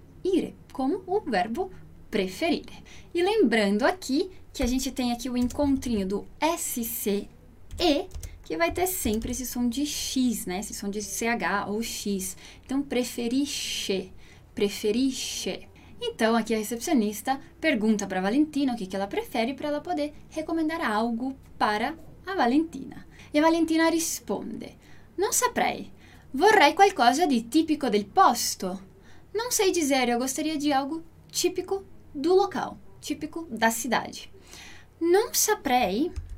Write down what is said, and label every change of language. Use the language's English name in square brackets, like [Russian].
[Portuguese] Ire, como o verbo preferire. E lembrando aqui que a gente tem aqui o encontrinho do SCE, que vai ter sempre esse som de X, né? Esse som de CH ou X. Então, preferisce, preferisce. Então, aqui a recepcionista pergunta para a Valentina o que ela prefere para ela poder recomendar algo para a Valentina. E a Valentina responde, [Italian] non saprei, vorrei qualcosa di tipico del posto. [Portuguese] Não sei dizer, eu gostaria de algo típico do local, típico da cidade. [Italian] Não saprei.